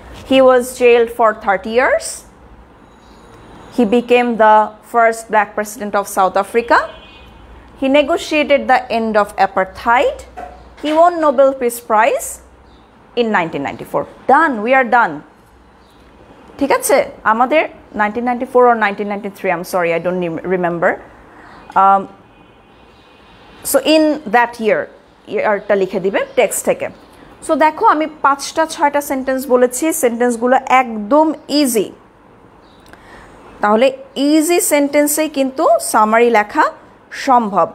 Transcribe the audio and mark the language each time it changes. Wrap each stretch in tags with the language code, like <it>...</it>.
<en>He was jailed for 30 years, he became the first black president of South Africa, he negotiated the end of apartheid, he won Nobel peace prize in 1994। Done, we are done,</en> <bn>ঠিক আছে?</bn> <en>আমাদের 1994 or 1993, I'm sorry, I don't remember. So in that year,</en> <bn>ইয়ারটা লিখে দিবে text থেকে। So দেখো, আমি 5-6 sentence বলেছি, সেন্টেন্সগুলো একদম ইজি, তাহলে ইজি সেন্টেন্সেই কিন্তু সামারি লেখা সম্ভব।</bn>